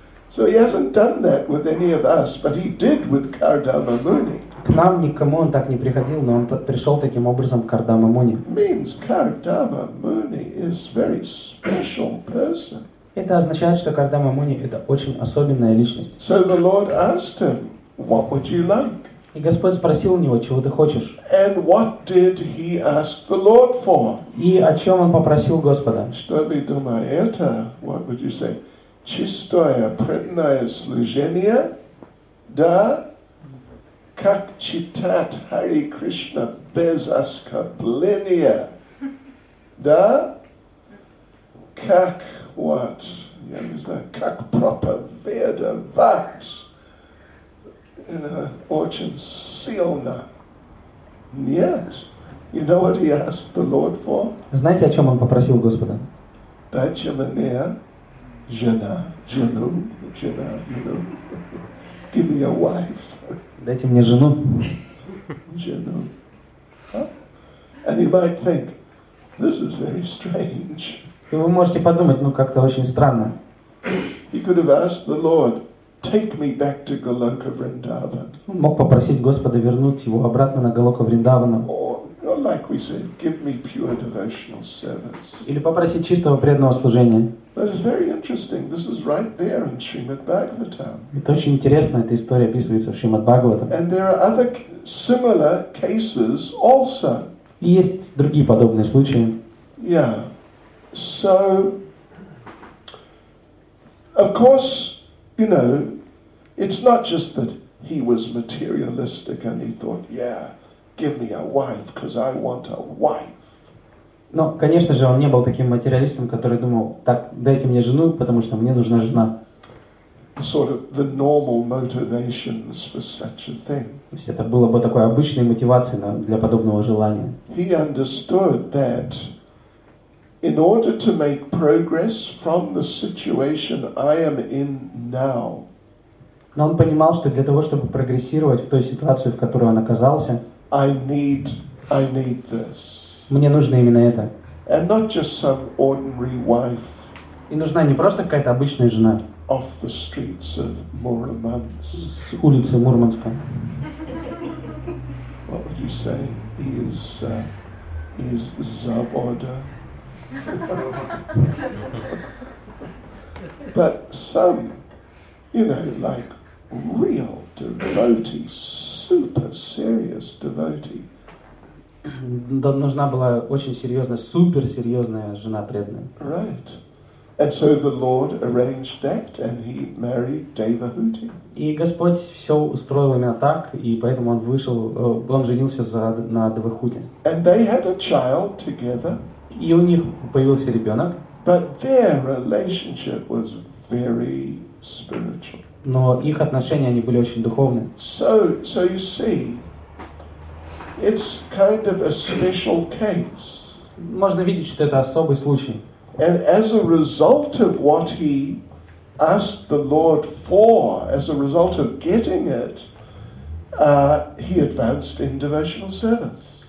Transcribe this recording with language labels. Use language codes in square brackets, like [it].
[en] So he hasn't done that with any of us, but he did with Kardama Muni. [ru] К нам никому он так не приходил, но он пришел таким образом к Кардама Муни. [en] Means Kardama Muni is very special person. [ru] Это означает, что Кардама Муни это очень особенная личность. [en] So the Lord asked him, what would you like? [ru] И Господь спросил у него, чего ты хочешь? [en] And what did he ask the Lord for? [ru] И о чем он попросил Господа? Что вы думаете? [en] What would you say? [ru] Чистое, преданное служение, да, как читат Хари Кришна без оскорбления, да, как what? Я не знаю, как проповедовать. Очень сильно. Нет. [en] You know what he asked the Lord for? [ru] Знаете, о чем он попросил Господа? Дайте мне жену, [en] you know. Give me a wife. [ru] Дайте мне жену. Жену. [en] And you might think, this is very strange. [ru] И вы можете подумать, ну как-то очень странно. [en] He could have asked the Lord, take me back to Goloka Vrindavan. [ru] Он мог попросить Господа вернуть его обратно на Голоку Вриндавана. [en] Or like we said, give me pure devotional service. [ru] Или попросить чистого преданного служения. [en] But it's very interesting. This is right there in Srimad Bhagavatam. [ru] Это очень интересно, эта история описывается в Шримад Бхагаватам. [en] And there are other similar cases also. [ru] И есть другие подобные случаи. [en] Yeah. So, of course, you know, it's not just that he was materialistic and he thought, yeah, give me a wife, because I want a wife. [ru] Но, конечно же, он не был таким материалистом, который думал, так, дайте мне жену, потому что мне нужна жена. [en] Sort of the normal motivations for such a thing. [ru] То есть это было бы такой обычной мотивацией на, для подобного желания. [en] He understood that in order to make progress from the situation I am in now. [ru] Но он понимал, что для того, чтобы прогрессировать в той ситуации, в которой он оказался, [en] I need this. [ru] Мне нужно именно это. [en] And not just some ordinary wife. [ru] И нужна не просто какая-то обычная жена. [en] Off the streets of Murmansk. [ru] С улицы Мурманска. [en] What would you say? Is Zavoda? But some, you know, like real devotee, super serious devotee. [ru] Нужна была очень серьезная, супер серьезная жена преданная. [en] Right. And so the Lord arranged that, and he married Devahuti. [ru] И Господь все устроил именно так, и поэтому он вышел, он женился на Девахути. [en] And they had a child together. [ru] И у них появился ребенок. [en] But their relationship was very spiritual. [ru] Но их отношения они были очень духовны. [en] So you see, it's kind of a special case. [ru] Можно видеть, что это особый случай. [en] And as a result of what he asked the Lord for, as a result of getting it, he advanced in devotional service.